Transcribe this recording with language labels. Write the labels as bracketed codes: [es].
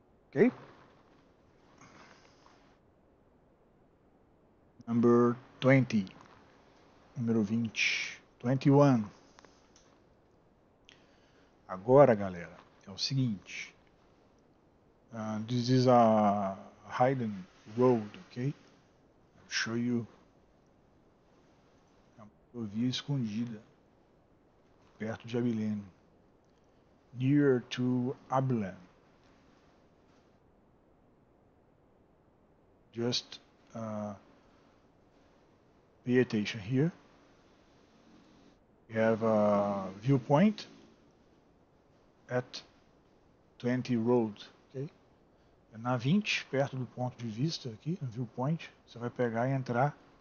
[en] Okay. Number 20. Número 20. 21. [pt] Agora, galera, é o seguinte. [en] This is a Highland Road, ok? I'll show you. [pt] É uma rodovia escondida, perto de Abilene. [en] Near to Abilene. Just pay attention here. We have a viewpoint at 20 Road. [pt] Na 20, perto do ponto de vista aqui, no viewpoint, você vai pegar e entrar.